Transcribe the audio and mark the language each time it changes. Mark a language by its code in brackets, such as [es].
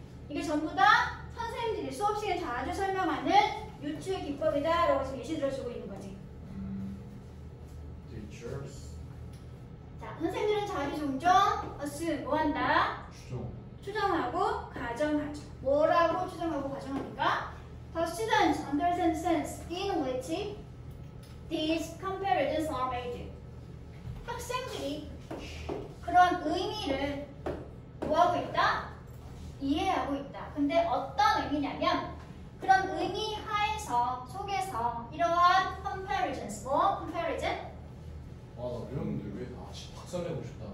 [ko] 이게 전부 다 선생님들이 수업 시간에 자주 설명하는 유추의 기법이다 라고 지금 예시 들어주고 있는 거지. 자, 선생님들은 자기 종종 assume 뭐 한다? 추정. 추정하고 가정하죠. 뭐라고 추정하고 가정합니까? [en] The students understand the sense in which these comparisons are made. [ko] 학생들이 그런 의미를 뭐하고 있다? 이해하고 있다. 근데 어떤 의미냐면 그런 의미 하에서 속에서 이러한 comparisons, 뭐 comparison? 와, 나 이런 분들 왜 아치 박살내고 싶다.